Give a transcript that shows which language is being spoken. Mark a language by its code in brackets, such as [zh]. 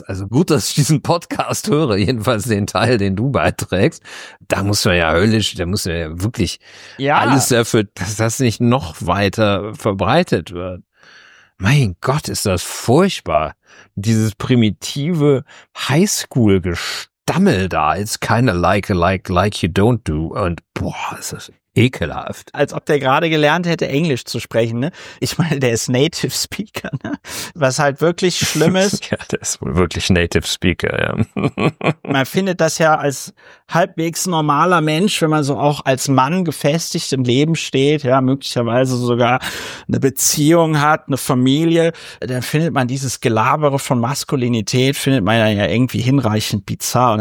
[de] Also gut, dass ich diesen Podcast höre, jedenfalls den Teil, den du beiträgst. Da muss man ja höllisch, da muss man ja wirklich alles dafür, dass das nicht noch weiter verbreitet wird. Mein Gott, ist das furchtbar. Dieses primitive Highschool-Gestammel da. [en] It's kind of like, like you don't do. [de] Und boah, ist das ekelhaft. Als ob der gerade gelernt hätte, Englisch zu sprechen, ne? Ich meine, der ist Native Speaker, ne? Was halt wirklich schlimm ist. Ja, der ist wohl wirklich Native Speaker, ja. Man findet das ja als halbwegs normaler Mensch, wenn man so auch als Mann gefestigt im Leben steht, ja, möglicherweise sogar eine Beziehung hat, eine Familie, dann findet man dieses Gelabere von Maskulinität, findet man ja irgendwie hinreichend bizarr.